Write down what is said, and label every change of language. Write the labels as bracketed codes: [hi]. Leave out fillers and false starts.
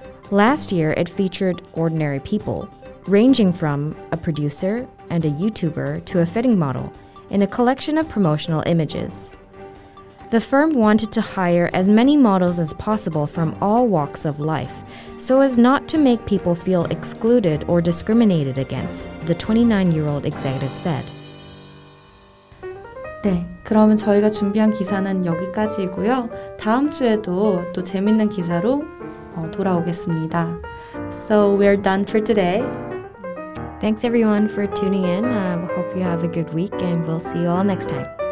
[en] Last year, it featured ordinary people, ranging from a producer and a YouTuber to a fitting model, in a collection of promotional images. The firm wanted to hire as many models as possible from all walks of life, so as not to make people feel excluded or discriminated against, the 29-year-old executive said. [ko] 네, 그러면 저희가 준비한 기사는 여기까지이고요. 다음 주에도 또 재밌는 기사로 돌아오겠습니다. [en] So we're done for today. Thanks everyone for tuning in. I hope you have a good week and we'll see you all next time.